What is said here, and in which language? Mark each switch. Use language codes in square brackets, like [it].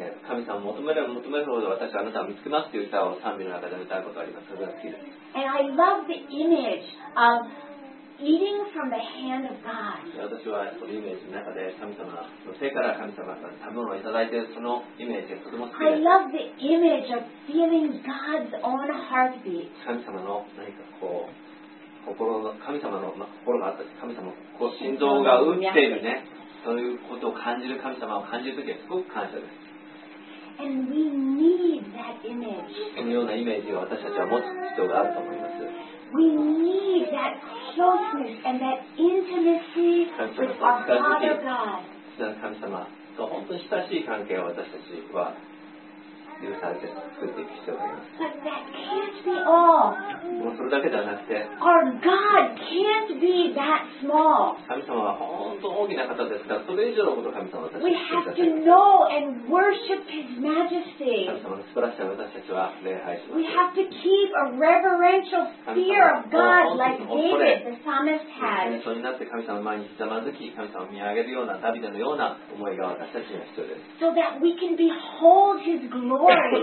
[ja] 神様を求めれば求めるほど私はあなたを見つけますという歌を賛美の中で歌うことがあります。それが好きです。 [en] And I love the image of eating from the hand of God. [ja] 私はそのイメージの中で神様の手から神様から食べ物をいただいているそのイメージがとても好きです。 [en] I love the image of feeling God's own heartbeat. [ja] 神様の何かこう心の神様の、まあ、心があったし神様のこう心臓が打っているね。そういうことを感じる神様を感じるときはすごく感謝です。 [en] And we need that image. [ja] そのようなイメージを私たちは持つ必要があると思います。 [en] We need that closeness and that intimacy with our Father God. [ja] 神様と本当に親しい関係を私たちは許されて作っていく必要があります。 [en] But that can't be all. [ja] もうそれだけではなくて、 [en] Our God can't be that small. [ja] 神様は本当大きな方ですから、それ以上のことを神様は私たちに。 [en] We have to know and worship His majesty. [ja] 神様の素晴らしさを私たちは礼拝します。 [en] We have to keep a reverential fear of God like David, the psalmist had. [ja] 神様になって神様の前にひざまずき、神様を見上げるようなダビデのような思いが私たちには必要です。 [en] So that we can behold His glory.